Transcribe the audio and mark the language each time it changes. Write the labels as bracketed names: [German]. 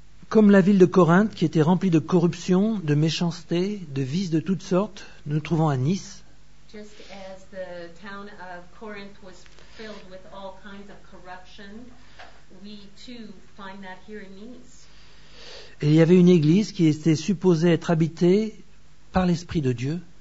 [French] Comme la ville de Corinthe, qui était remplie de corruption, de méchanceté, de vices de toutes sortes, nous trouvons à Nice. [English] Just as the town of Corinth was filled with all kinds of corruption, we too find that here in Nice. [French] Et il y avait une église qui était supposée être habitée par l'Esprit de Dieu.